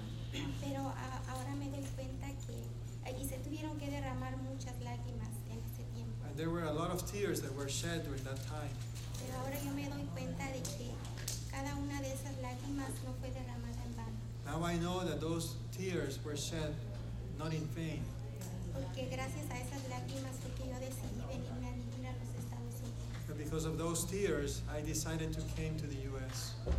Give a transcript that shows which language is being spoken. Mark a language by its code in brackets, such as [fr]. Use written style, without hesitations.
[es] Pero ahora me doy cuenta que y se tuvieron que derramar muchas lágrimas en ese tiempo. [en] And there were a lot of tears that were shed during that time. [es] Pero ahora yo me doy cuenta de que cada una de esas lágrimas no fue derramada en vano. [en] Now I know that those tears were shed not in vain. [es] Porque gracias a esas lágrimas fue que yo decidí venirme a vivir a los Estados Unidos. [en] Because of those tears, I decided to came to the U.S.